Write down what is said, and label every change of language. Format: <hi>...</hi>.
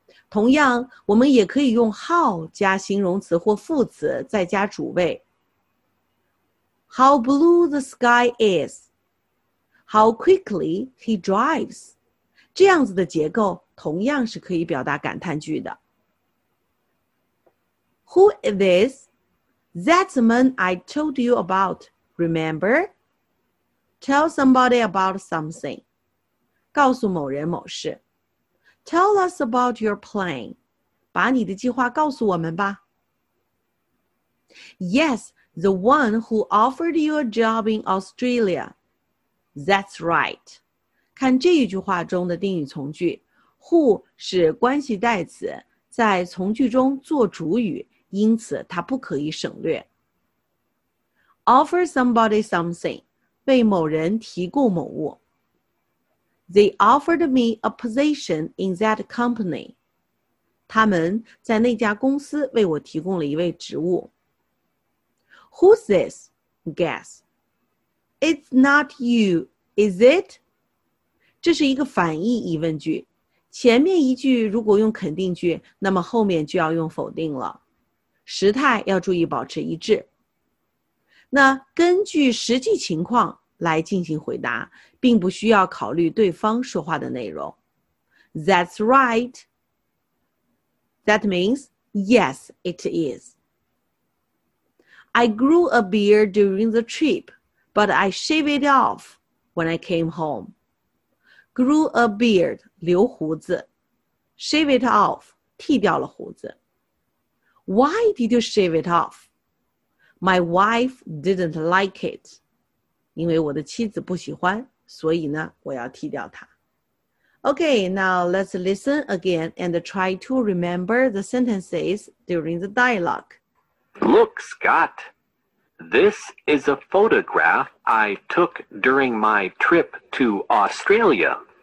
<zh>同样我们也可以用 how 加形容词或副词再加主谓。</zh> <en>How blue the sky is. How quickly he drives.</en> <zh>这样子的结构同样是可以表达感叹句的。</zh> <en>Who is this? That's the man I told you about, remember? Tell somebody about something.</en> <zh>告诉某人某事。</zh> <en>Tell us about your plan.</en> <zh>把你的计划告诉我们吧。</zh> <en>Yes, the one who offered you a job in Australia. That's right.</en> <zh>看这一句话中的定语从句。Who 是关系代词，在从句中做主语，因此它不可以省略。</zh> <en>Offer somebody something,</en> <zh>为某人提供某物。</zh> <en>They offered me a position in that company.</en> <zh>他们在那家公司为我提供了一位职务。</zh> <en>Who's this? Guess. It's not you, is it?</en> <zh>这是一个反义疑问句。前面一句如果用肯定句，那么后面就要用否定了。时态要注意保持一致。那根据实际情况来进行回答，并不需要考虑对方说话的内容。</zh> <en>That's right. That means, yes, it is. I grew a beard during the trip, but I shaved it off when I came home. Grew a beard,</en> <zh>留胡子。</zh> <en>Shave it off,</en> <zh>剃掉了胡子。</zh> <en>Why did you shave it off? My wife didn't like it.</en> <zh>因为我的妻子不喜欢，所以呢，我要剃掉它。</zh> <en>Okay, now let's listen again and try to remember the sentences during the dialogue. Look, Scott. This is a photograph I took during my trip to Australia.</en>